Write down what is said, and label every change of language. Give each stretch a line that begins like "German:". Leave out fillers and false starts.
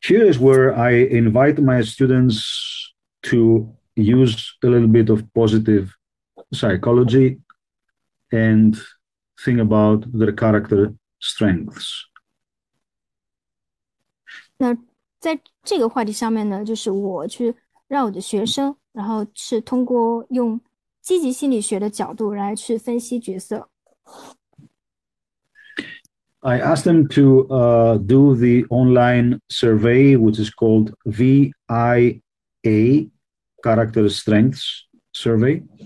English: is where I invite my students to use a little bit of positive psychology and think about their character strengths.
Chinese: 那在这个话题上面呢，就是我去 让我的学生，然后是通过用积极心理学的角度来去分析角色。
English: I asked them to do the online survey, which is called VIA, Character Strengths Survey.